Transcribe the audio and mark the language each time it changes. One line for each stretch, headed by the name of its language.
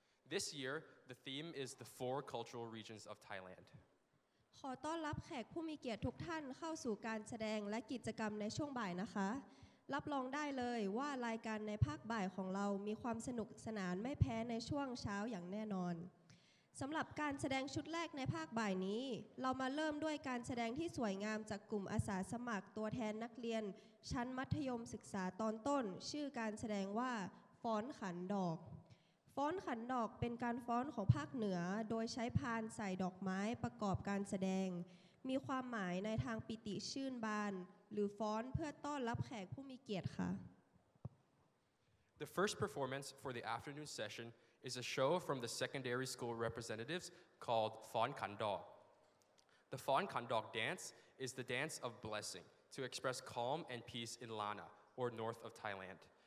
English: This year, the theme is the four cultural regions of Thailand.
Thai: ขอต้อนรับแขกผู้มีเกียรติทุกท่านเข้าสู่การแสดงและกิจกรรมในช่วงบ่ายนะคะรับรองได้เลยว่ารายการในภาคบ่ายของเรามีความสนุกสนานไม่แพ้ในช่วงเช้าอย่างแน่นอน สำหรับการแสดงชุดแรกในภาคบ่ายนี้เรามาเริ่มด้วยการแสดงที่สวยงามจากกลุ่มอาสาสมัครตัวแทนนักเรียนชั้นมัธยมศึกษาตอนต้นชื่อการแสดงว่าฟ้อนขันดอกฟ้อนขันดอกเป็นการฟ้อนของภาคเหนือโดยใช้พานใส่ดอกไม้ประกอบการแสดงมีความหมายในทางปิติชื่นบานหรือฟ้อนเพื่อต้อนรับแขกผู้มีเกียรติค่ะ
English: The first performance for the afternoon session is a show from the secondary school representatives called Phon Khan Dok. The Phon Khan Dok dance is the dance of blessing to express calm and peace in Lana or north of Thailand.